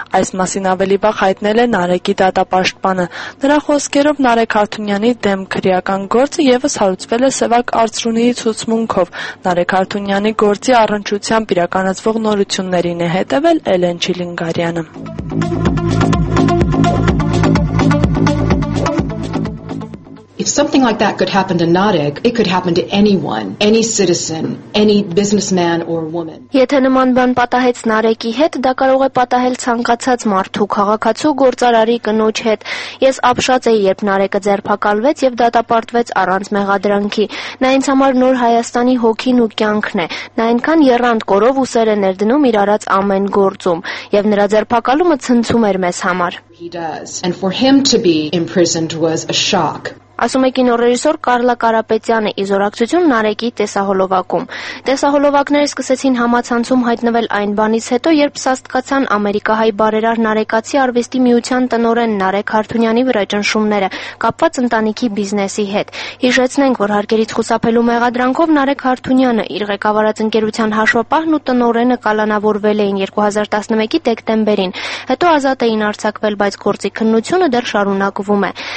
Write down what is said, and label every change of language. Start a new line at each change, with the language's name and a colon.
Armenian: այս մասին ավելի վաղ հայտնել է Նարեկի դատապաշտպանը։ Նրա խոսքերով Նարեկ Հարթունյանի դեմ քրեական գործը եւս հարուցվել է սևակ արծրունի ցուցմունքով։ Նարեկ Հարթունյանը Նարեկ Հարթունյանի գործի առնչությամբ իրականացվող նորություններին է հետևել Էլեն Չիլինգարյանը։
English: If something like that could happen to Narek, it could happen to anyone, any citizen, any businessman or woman.
Armenian: Եթե նման բան պատահեց Նարեկի հետ, դա կարող է պատահել ցանկացած մարդու, քաղաքացու, գործարարի կնոջ հետ։ Ես ապշած էի, երբ Նարեկը ձերբակալվեց եւ դատապարտվեց առանց մեղադրանքի։ Նա ինձ համար նոր Հայաստանի հոգին ու կյանքն է։ Նա այնքան երանդ կորով ու սեր է ներդնում իր առած ամեն գործում, եւ նրա ձերբակալումը ցնցում էր մեզ համար։
English: He does. And for him to be imprisoned was a shock.
Armenian: Ասում է կինոռեժիսոր Կարլա Կարապետյանը իզորակցություն Նարեկի տեսահոլովակում։ Տեսահոլովակները սկսեցին համացանցում հայտնվել այն բանից հետո, երբ սաստկացան ամերիկահայ բարերար Նարեկացի արվեստի միության տնօրեն Նարեկ Հարթունյանի վրա ճնշումները կապված ընտանիքի բիզնեսի հետ։ Հիշեցնենք, որ հարկերից խուսափելու մեղադրանքով Նարեկ Հարթունյանը, իր ղեկավարած ընկերության հաշվապահն ու տնօրենը կալանավորվել էին 2011-ի դեկտեմբերին, հետո ազատ էին արձակվել, բայց գործի քննությունը դեռ շարունակվում է։